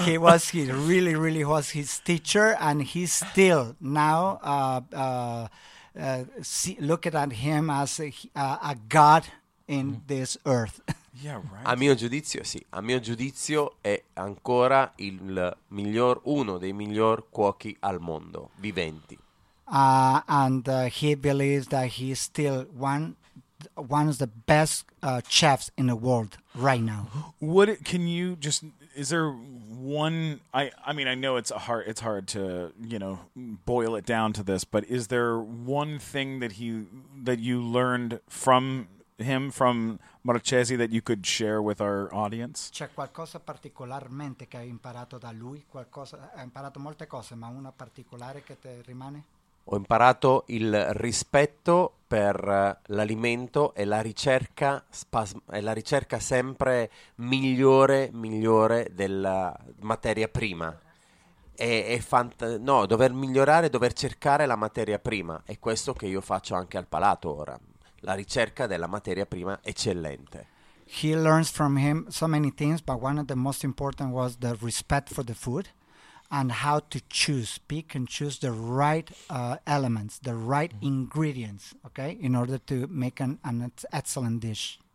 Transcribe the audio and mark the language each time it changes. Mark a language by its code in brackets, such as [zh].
[en] He was, he really, really was his teacher, and he's still now, see, looking at him as a god in this earth. Yeah, right. [it] A mio giudizio, sì. A mio giudizio è ancora il miglior, uno dei miglior cuochi al mondo, viventi. [en] And he believes that he's still one of the best chefs in the world right now. What can you just? Is there one? I mean, I know it's a hard. It's hard to, you know, boil it down to this. But is there one thing that you learned from him, from Marchesi, that you could share with our audience? [it] C'è qualcosa particolarmente che hai imparato da lui? Qualcosa? Hai imparato molte cose, ma una particolare che ti rimane? Ho imparato il rispetto per l'alimento e la ricerca sempre migliore della materia prima. Dover migliorare, dover cercare la materia prima. È questo che io faccio anche al palato ora. La ricerca della materia prima eccellente. [en] He learns from him so many things, but one of the most important was the respect for the food. And how to choose, pick and choose the right elements, the right ingredients, okay, in order to make an excellent dish.